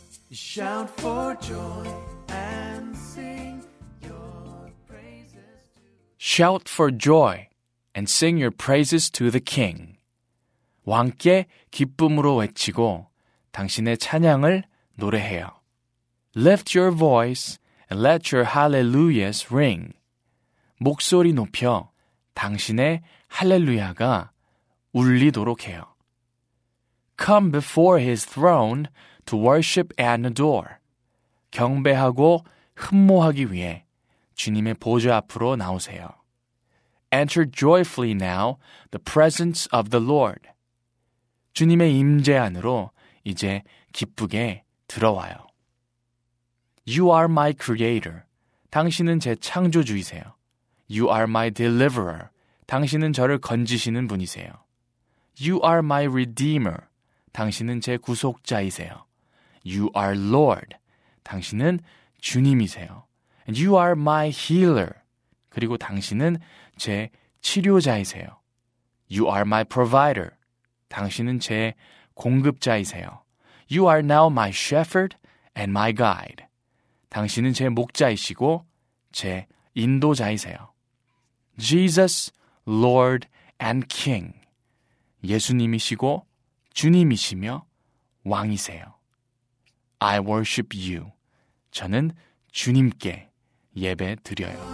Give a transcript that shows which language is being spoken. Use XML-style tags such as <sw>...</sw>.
<en>Shout for joy and sing your praises. Shout for joy and sing your praises to the King.</en> <ko>왕께 기쁨으로 외치고 당신의 찬양을 노래해요.</ko> <en>Lift your voice and let your hallelujahs ring.</en> <ko>목소리 높여 당신의 할렐루야가 울리도록 해요.</ko> <en>come before his throne to worship and adore.</en> <ko>경배하고 흠모하기 위해 주님의 보좌 앞으로 나오세요.</ko> <en>Enter joyfully now the presence of the Lord.</en> <ko>주님의 임재 안으로 이제 기쁘게 들어와요.</ko> <en>You are my creator.</en> <ko>당신은 제 창조주이세요.</ko> <en>You are my deliverer.</en> <ko>당신은 저를 건지시는 분이세요.</ko> <en>You are my redeemer.</en> <ko>당신은 제 구속자이세요.</ko> <en>You are Lord.</en> <ko>당신은 주님이세요.</ko> <en>And you are my healer.</en> <ko>그리고 당신은 제 치료자이세요.</ko> <en>You are my provider.</en> <ko>당신은 제 공급자이세요.</ko> <en>You are now my shepherd and my guide.</en> <ko>당신은 제 목자이시고 제 인도자이세요.</ko> <en>Jesus, Lord and King.</en> <ko>예수님이시고 주님이시며 왕이세요.</ko> <en>I worship you.</en> <ko>저는 주님께 예배 드려요.</ko>